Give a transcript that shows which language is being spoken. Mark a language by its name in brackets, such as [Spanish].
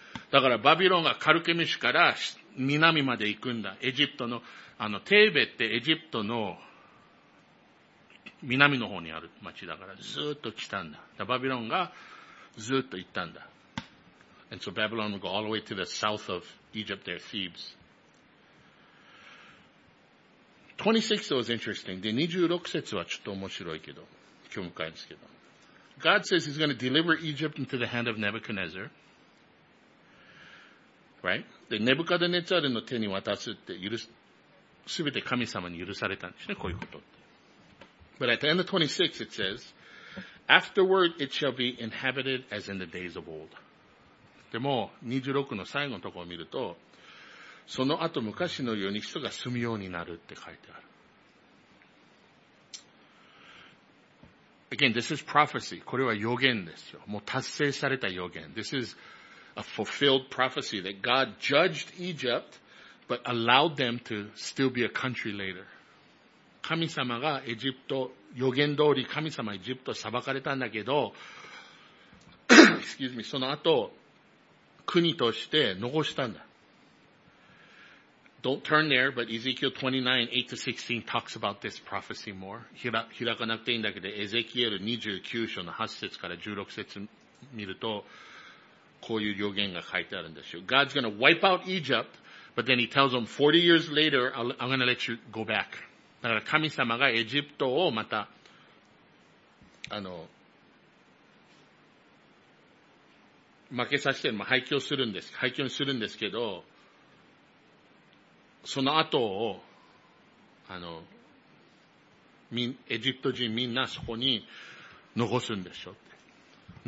[Japanese] だからバビロンがカルケメシから南まで行くんだ。エジプトの、テーベってエジプトの南の方にある町だから、ずっと来たんだ。だバビロンがずっと行ったんだ。 [English] And so Babylon will go all the way to the south of Egypt there, Thebes. 26 was interesting. [Japanese] で、26節はちょっと面白いけど、興味深いんですけど。 [English] God says he's going to deliver Egypt into the hand of Nebuchadnezzar. Right? [Japanese] で、ネブカドネザルの手に渡すって許す、すべて神様に許されたんですね、こういうことって。 [English] But at the end of 26 it says, afterward it shall be inhabited as in the days of old. [Japanese] でも、26の最後のところを見ると、その後昔のように人が住むようになるって書いてある。 Again, this is prophecy. これは予言ですよ。もう達成された予言。 [English] This is a fulfilled prophecy that God judged Egypt, but allowed them to still be a country later. [Japanese] 神様がエジプト、予言通り神様エジプト裁かれたんだけど、 excuse me, その後国として残したんだ。 [English] Don't turn there, but Ezekiel 29:8-16 talks about this prophecy more. [Japanese] 開かなくていいんだけど、エゼキエル29章の8節から16節見ると、こういう予言が書いてあるんですよ。 [English] God's gonna wipe out Egypt, but then he tells them 40 years later, I'm gonna let you go back. [Japanese] だから神様がエジプトをまた、負けさせて、廃墟するんです。廃墟にするんですけど、その後を、エジプト人みんなそこに残すんでしょって。